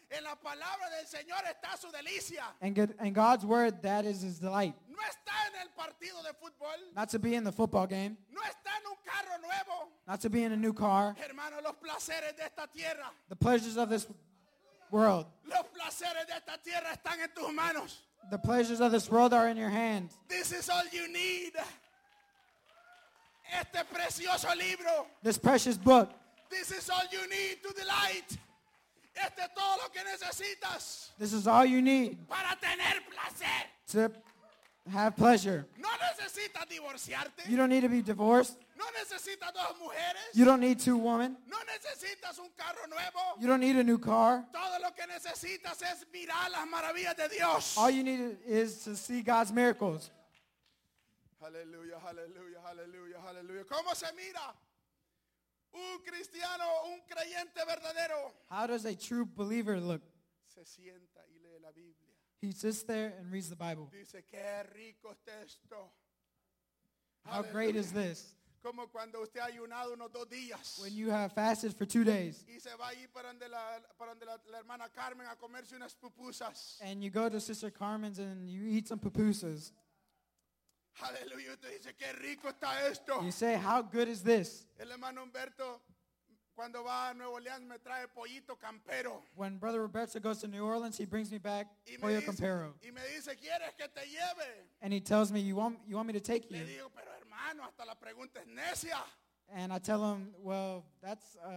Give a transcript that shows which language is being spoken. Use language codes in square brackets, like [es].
[es] En la palabra del Señor está su delicia. [en] And God's word, that is his delight. [es] No está en el partido de fútbol. [en] Not to be in the football game. [es] No está en un carro nuevo. [en] Not to be in a new car. [es] Hermano, los placeres de esta tierra. [en] The pleasures of this world. [es] Los placeres de esta tierra están en tus manos. [en] The pleasures of this world are in your hands. This is all you need. [es] Este precioso libro. [en] This precious book. This is all you need to delight. [es] Este es todo lo que necesitas. [en] This is all you need. [es] Para tener placer. [en] To have pleasure. [es] No necesitas divorciarte. [en] You don't need to be divorced. [es] No necesitas dos mujeres. [en] You don't need two women. [es] No necesitas un carro nuevo. [en] You don't need a new car. [es] Todo lo que necesitas es mirar las maravillas de Dios. [en] All you need is to see God's miracles. [es] Hallelujah, hallelujah, hallelujah, hallelujah. ¿Cómo se mira? Un cristiano, un creyente verdadero. [en] How does a true believer look? [es] Se sienta y lee la Biblia. [en] He sits there and reads the Bible. [es] Dice, qué rico está esto. [en] How great is this? [es] Como cuando usted ha ayunado unos dos días. [en] When you have fasted for 2 days. [es] Y se va ahí para donde la hermana Carmen a comerse unas pupusas. [en] And you go to Sister Carmen's and you eat some pupusas. Hallelujah. [es] Usted dice, qué rico está esto. [en] You say, how good is this? [es] El hermano Humberto, cuando va a Nuevo Orleans, me trae pollito campero. [en] When Brother Roberto goes to New Orleans, he brings me back pollo campero. [es] Y me dice, ¿quieres que te lleve? [en] And he tells me, you want me to take you? [es] Le digo, pero hermano, hasta la pregunta es necia. [en] And I tell him, well, that's...